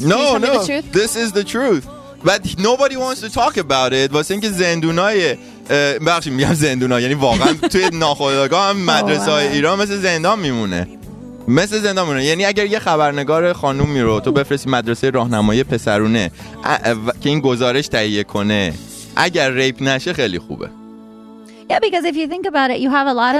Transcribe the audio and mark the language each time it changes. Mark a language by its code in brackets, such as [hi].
[en] no this is the truth but nobody wants to talk about it. [fa] واسه اینکه زندونای بخشی میگم زندونا، یعنی واقعا توی ناخودآگاه هم مدرسه های ایران مثل زندان میمونه. یعنی اگر یه خبرنگار خانوم میرو تو بفرستی مدرسه راهنمایی پسرونه که این گزارش تهیه کنه، اگر ریپ نشه خیلی خوبه. [en] Yeah, because if you think about it, you have a lot of...